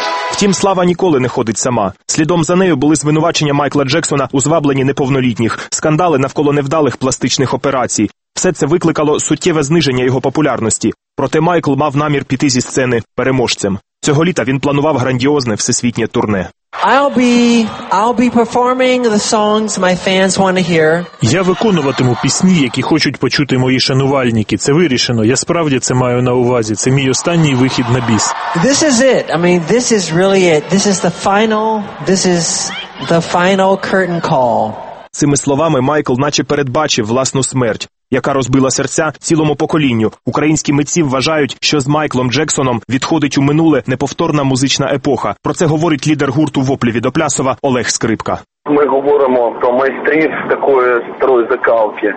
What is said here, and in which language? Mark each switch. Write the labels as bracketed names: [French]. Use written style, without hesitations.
[Ukrainian] Втім, слава ніколи не ходить сама. Слідом за нею були звинувачення Майкла Джексона у звабленні неповнолітніх, скандали навколо невдалих пластичних операцій. Все це викликало суттєве зниження його популярності. Проте Майкл мав намір піти зі сцени переможцем. Цього літа він планував грандіозне всесвітнє турне. [English] I'll be performing the songs my fans want to hear. [Ukrainian] Я виконуватиму пісні, які хочуть почути мої шанувальники. Це вирішено. Я справді це маю на увазі. Це мій останній вихід на біс. [English] This is it. I mean, this is really it. This is the final curtain call. [Ukrainian] Цими словами Майкл наче передбачив власну смерть, яка розбила серця цілому поколінню. Українські митці вважають, що з Майклом Джексоном відходить у минуле неповторна музична епоха. Про це говорить лідер гурту «Воплі Відоплясова» Олег Скрипка. Ми говоримо про майстрів такої старої закалки.